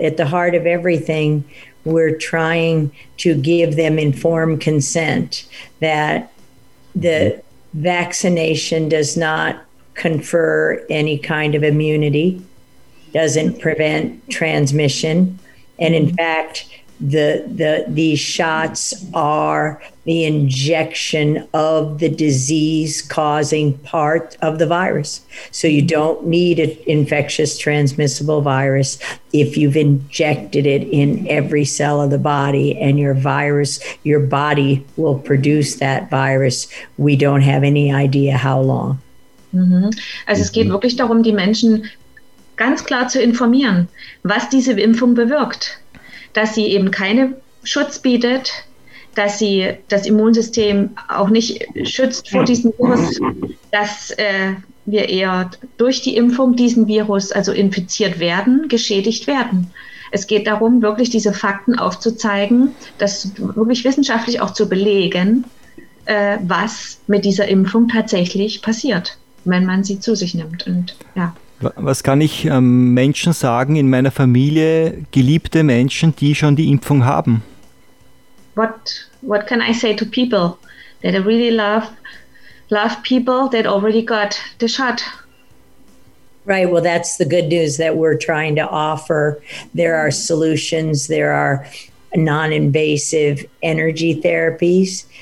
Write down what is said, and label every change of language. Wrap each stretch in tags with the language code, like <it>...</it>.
<en>At the heart of everything, we're trying to give them informed consent that the vaccination does not confer any kind of immunity, doesn't prevent transmission, and in fact, the shots are the injection of the disease causing part of the virus. So you don't need an infectious transmissible virus if you've injected it in every cell of the body and your body will produce that virus. We don't have any idea how long. Mm-hmm.</en> <de>Also es geht wirklich darum, die Menschen ganz klar zu informieren, was diese Impfung bewirkt. Dass sie eben keinen Schutz bietet, dass sie das Immunsystem auch nicht schützt vor diesem Virus, dass wir eher durch die Impfung diesen Virus, also infiziert werden, geschädigt werden. Es geht darum, wirklich diese Fakten aufzuzeigen, das wirklich wissenschaftlich auch zu belegen, was mit dieser Impfung tatsächlich passiert, wenn man sie zu sich nimmt. Und ja. Was kann ich Menschen sagen in meiner Familie, geliebte Menschen, die schon die Impfung haben?</de> <en>What can I say to people that I really love people that already got the shot? Right, well, that's the good news that we're trying to offer. There are solutions, there are non-invasive energy therapies.</en>